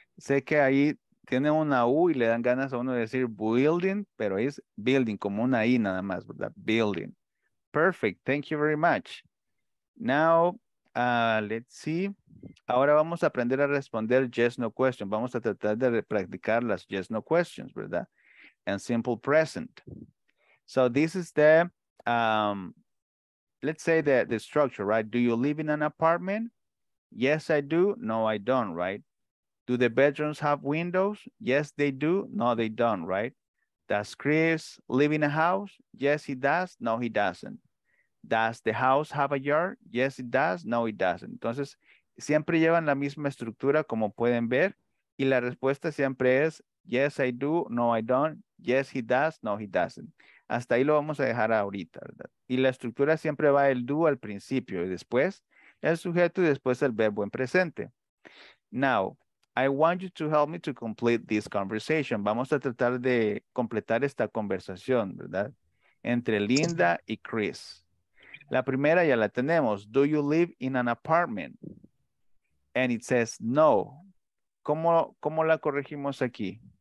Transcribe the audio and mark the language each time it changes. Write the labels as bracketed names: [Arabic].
[Spanish] Sé que ahí tiene una U y le dan ganas a uno de decir building, pero es building, como una I nada más, ¿verdad? [English] Building. Perfect, thank you very much. Now, let's see. [Spanish] Ahora vamos a aprender a responder yes, no questions. Vamos a tratar de practicar las yes, no questions, ¿verdad? [English] And simple present. So this is the, let's say the structure, right? Do you live in an apartment? Yes, I do. No, I don't, right? Do the bedrooms have windows? Yes, they do. No, they don't, right? Does Chris live in a house? Yes, he does. No, he doesn't. Does the house have a yard? Yes, it does. No, it doesn't. [Spanish] Entonces, siempre llevan la misma estructura, como pueden ver, y la respuesta siempre es, [English] yes, I do. No, I don't. Yes, he does. No, he doesn't. [Spanish] Hasta ahí lo vamos a dejar ahorita, ¿verdad? Y la estructura siempre va el do al principio y después el sujeto y después el verbo en presente. [English] Now, I want you to help me to complete this conversation. [Spanish] Vamos a tratar de completar esta conversación, ¿verdad? Entre Linda y Chris. La primera ya la tenemos. [English] Do you live in an apartment? And it says no. [Spanish] ¿Cómo la corregimos aquí?